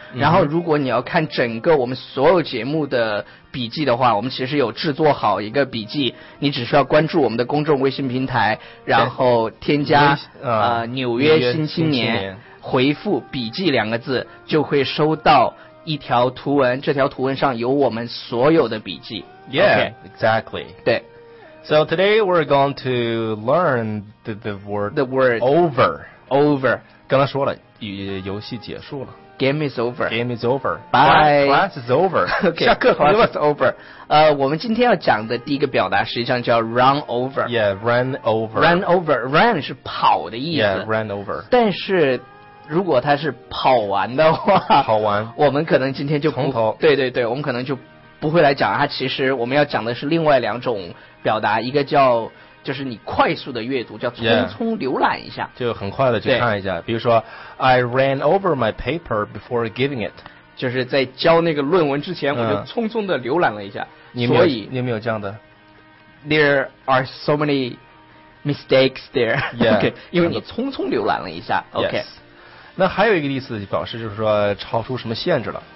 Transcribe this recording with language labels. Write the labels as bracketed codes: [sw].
[zh] 然后如果你要看整个我们所有节目的笔记的话，我们其实有制作好一个笔记，你只需要关注我们的公众微信平台，然后添加纽约新青年，回复笔记两个字，就会收到。一条图文，这条图文上有我们所有的笔记。 [en] Yeah,、 okay. exactly. [zh] 对。 [en] So today we're going to learn the word over. Over. [zh] 刚才说了，游戏结束了。 [en] Game is over. Game is over. Bye. Class is over. Okay, [zh] 下课 [en] class is over. [zh] 我们今天要讲的第一个表达实际上叫 run over. [en] Yeah, run over. [zh] Run over. Run 是跑的意思。 [en] Yeah, run over. [zh] 但是如果他是跑完的话，跑完，我们可能今天就从头，对对对，我们可能就不会来讲他。其实我们要讲的是另外两种表达，一个叫就是你快速的阅读，叫匆匆浏览一下， yeah, 就很快的去看一下。比如说 [en] ，I ran over my paper before giving it， [zh] 就是在交那个论文之前，我就匆匆的浏览了一下。所以你有没有这样的 [en] ？There are so many mistakes there. Yeah, [zh] OK， 因为你匆匆浏览了一下。 [en] OK、 yes.。 [zh] 那还有一个意思表示就是说超出什么限制了，